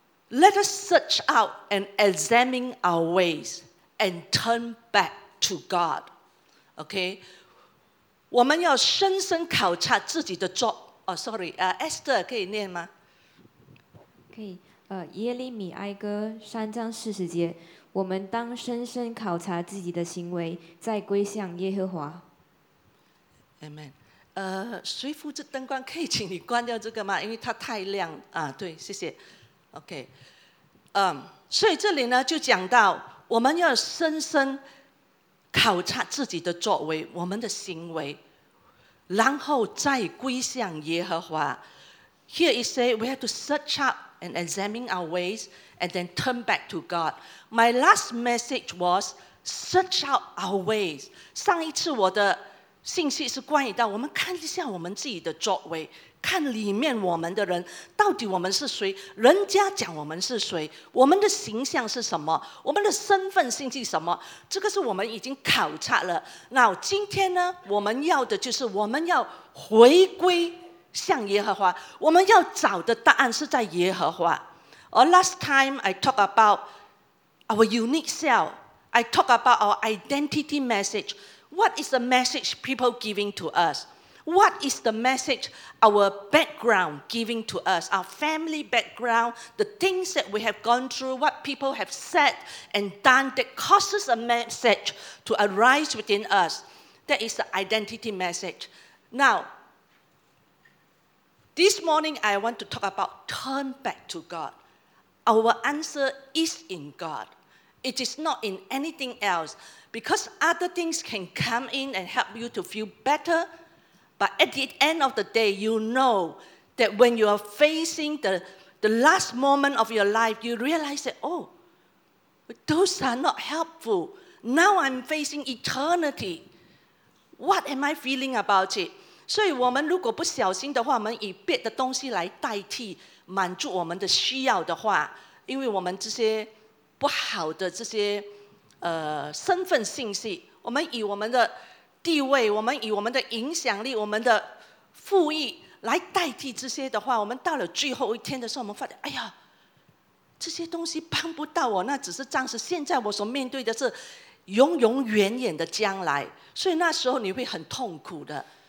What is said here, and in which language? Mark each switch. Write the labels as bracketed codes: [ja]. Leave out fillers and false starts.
[en] Let us search out and examine our ways and turn back to God. [zh] OK， 我们要深深考察自己的作。 Esther 可以念吗？可以。耶利米哀歌3:40，我们当深深考察自己的行为，再归向耶和华。 Amen。 谁负责灯光？可以请你关掉这个吗？因为它太亮啊。对，谢谢。OK。所以这里呢就讲到，我们要深深考察自己的作为，我们的行为，然后再归向耶和华。 [en] Here it says we have to search up. And examine our ways and then turn back to God. My last message was search out our ways. [zh] 上一次我的信息是关于到我们看一下我们自己的作为，看里面我们的人到底我们是谁，人家讲我们是谁，我们的形象是什么，我们的身份信息什么，这个是我们已经考察了。那今天呢，我们要的就是我们要回归向耶和华，我们要找的答案是在耶和华。 [en] Or last time I talk about our unique self, I talk about our identity message. What is the message people giving to us? What is the message our background giving to us? Our family background, the things that we have gone through, what people have said and done that causes a message to arise within us. That is the identity message. Now,This morning, I want to talk about turn back to God. Our answer is in God. It is not in anything else. Because other things can come in and help you to feel better. But at the end of the day, you know that when you are facing the last moment of your life, you realize that, oh, those are not helpful. Now I'm facing eternity. What am I feeling about it? [zh] 所以我们如果不小心的话，我们以别的东西来代替满足我们的需要的话，因为我们这些不好的这些身份信息，我们以我们的地位，我们以我们的影响力，我们的富裕来代替这些的话，我们到了最后一天的时候，我们发现哎呀，这些东西帮不到我，那只是暂时，现在我所面对的是永永远远的将来，所以那时候你会很痛苦的。